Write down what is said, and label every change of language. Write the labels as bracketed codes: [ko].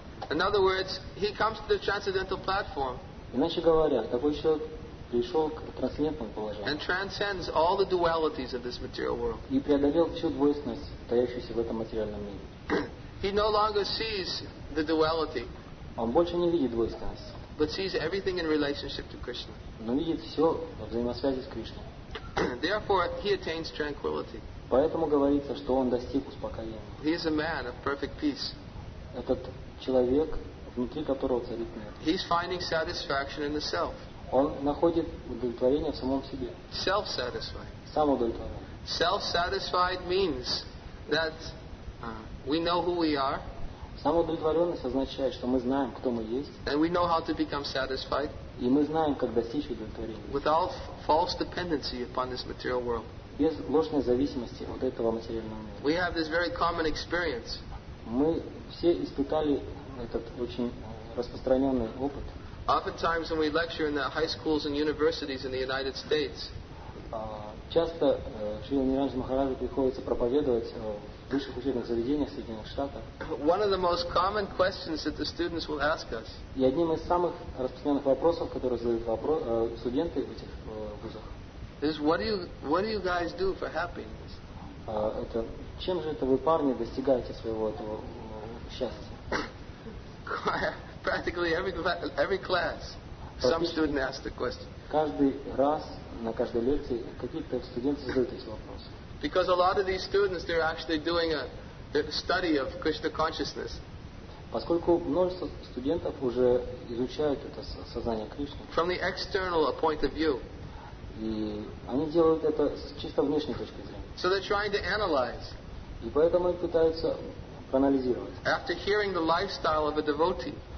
[en] In other words, he comes to the transcendental platform. [ru] Иначе говоря, такой человек пришел к трансцендентному положению. [en] And transcends all the dualities of this material world. [ru] И преодолел всю двойственность, таящуюся в этом материальном мире. [en] He no longer sees the duality. [ru] Он больше не видит двойственность. [en] But sees everything in relationship to Krishna. [ru] Но видит все во взаимосвязи с Кришной. [en] Therefore, he attains tranquility. [ru] Поэтому говорится, что он достиг успокоения. [en] He is a man of perfect peace. [ru] Этот человек, внутри которого царит мир. [en] He's finding satisfaction in the self. [ru] Он находит удовлетворение в самом себе. [en] Self-satisfied. [ru] Самоудовлетворение. [en] Self-satisfied means that we know who we are. [ru] Самоудовлетворенность означает, что мы знаем, кто мы есть. [en] And we know how to become satisfied. [ru] И мы знаем, как достичь удовлетворения. [en] Without false dependency upon this material world. [ru] Без ложной зависимости от этого материального мира. [en] We have this very common experience. [ru] Мы все испытали этот очень распространенный опыт. [en] Oftentimes when we lecture in the high schools and universities in the United States. [ru] Часто Шрила Нираджа Махараджа приходится проповедовать в высших учебных заведениях Соединенных Штатов. [en] One of the most common questions that the students will ask us. [ru] И одним из самых распространенных вопросов, которые задают студенты в этих вузах. [en] Is what do you guys do for happiness? [ru] Это чем же это вы, парни, достигаете своего этого счастья? [en] Practically every class some student asks the question. [ru] Каждый раз на каждой лекции какие-то студенты задают эти вопросы. [en] Because a lot of these students, they're actually doing a study of Krishna consciousness. [ru] Поскольку множество студентов уже изучают это сознание Кришны. [en] From the external point of view. [ru] И они делают это с чисто внешней точки зрения. [en] So they're trying to analyze. [ru] И поэтому они пытаются проанализировать. [en] After hearing the lifestyle of a devotee.